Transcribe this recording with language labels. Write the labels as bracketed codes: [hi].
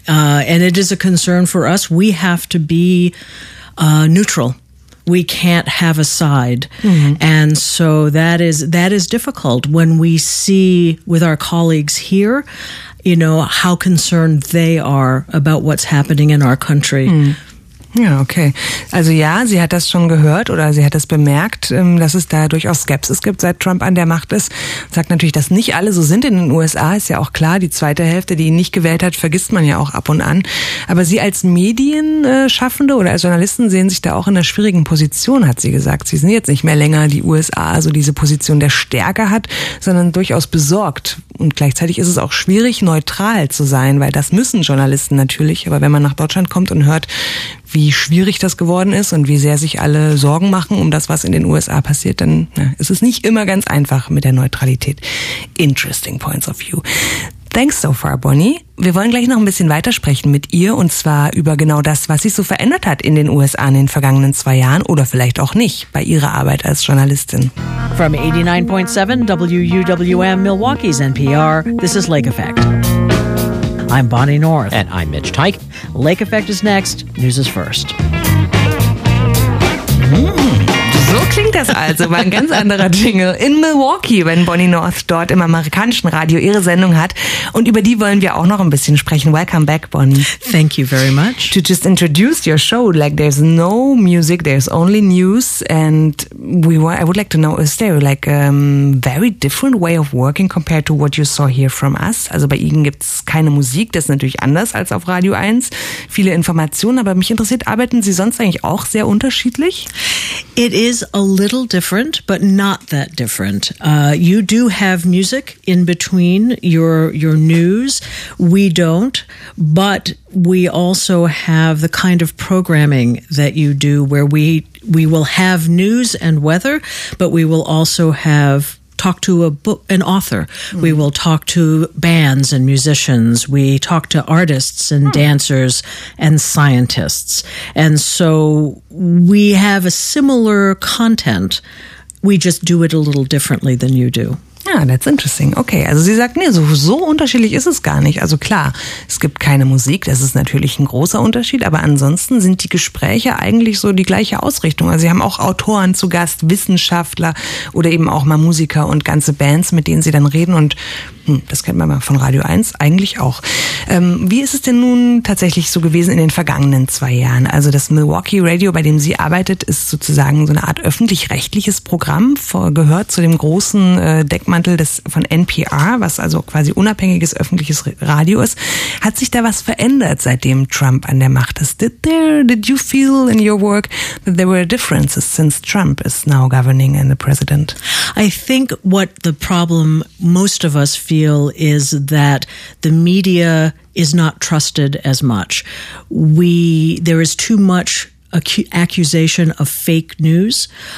[en] And it is a concern for us. We have to be neutral. We can't have a side. And so that is difficult when we see with our colleagues here, you know, how concerned they are about what's happening in our country. [de] Ja, okay. Also ja, sie hat das schon gehört oder sie hat das bemerkt, dass es da durchaus Skepsis gibt, seit Trump an der Macht ist. Sagt natürlich, dass nicht alle so sind in den USA, ist ja auch klar. Die zweite Hälfte, die ihn nicht gewählt hat, vergisst man ja auch ab und an. Aber Sie als Medienschaffende oder als Journalisten sehen sich da auch in einer schwierigen Position, hat sie gesagt. Sie sind jetzt nicht mehr länger die USA, also diese Position der Stärke hat, sondern durchaus besorgt. Und gleichzeitig ist es auch schwierig, neutral zu sein, weil das müssen Journalisten natürlich. Aber wenn man nach Deutschland kommt und hört, wie schwierig das geworden ist und wie sehr sich alle Sorgen machen um das, was in den USA passiert, dann ist es nicht immer ganz einfach mit der Neutralität. [en] Interesting points of view. Thanks so far, Bonnie. [de] Wir wollen gleich noch ein bisschen weitersprechen mit ihr und zwar über genau das, was sich so verändert hat in den USA in den vergangenen zwei Jahren oder vielleicht auch nicht bei ihrer Arbeit als Journalistin. [en] From 89.7 WUWM Milwaukee's NPR, this is Lake Effect. I'm Bonnie North. And I'm Mitch Teich. Lake Effect is next. News is first. [de] So klingt das also, war ein ganz anderer Jingle in Milwaukee, wenn Bonnie North dort im amerikanischen Radio ihre Sendung hat. Und über die wollen wir auch noch ein bisschen sprechen. [en] Welcome back, Bonnie. Thank you very much. To just introduce your show, like there's no music, there's only news. And I would like to know, is there like a very different way of working compared to what you saw here from us? [de] Also bei Ihnen gibt's keine Musik, das ist natürlich anders als auf Radio 1. Viele Informationen, aber mich interessiert, arbeiten Sie sonst eigentlich auch sehr unterschiedlich? [en] It is a little different, but not that different. You do have music in between your news. We don't, but we also have the kind of programming that you do where we will have news and weather, but we will also have talk to an author. Mm-hmm. We will talk to bands and musicians. We talk to artists and dancers and scientists. And so we have a similar content. We just do it a little differently than you do. Ja, that's interesting. [de] Okay, also sie sagt, nee, so unterschiedlich ist es gar nicht. Also klar, es gibt keine Musik, das ist natürlich ein großer Unterschied, aber ansonsten sind die Gespräche eigentlich so die gleiche Ausrichtung. Also sie haben auch Autoren zu Gast, Wissenschaftler oder eben auch mal Musiker und ganze Bands, mit denen sie dann reden und das kennt man mal von Radio 1 eigentlich auch. Wie ist es denn nun tatsächlich so gewesen in den vergangenen zwei Jahren? Also das Milwaukee Radio, bei dem sie arbeitet, ist sozusagen so eine Art öffentlich-rechtliches Programm, gehört zu dem großen Deckmantel von NPR, was also quasi unabhängiges öffentliches Radio ist. Hat sich da was verändert, seitdem Trump an der Macht ist? [en] Did you feel in your work that there were differences since Trump is now governing and the president? I think what the problem most of us feel is that the media is not trusted as much. There is too much accusation of fake news.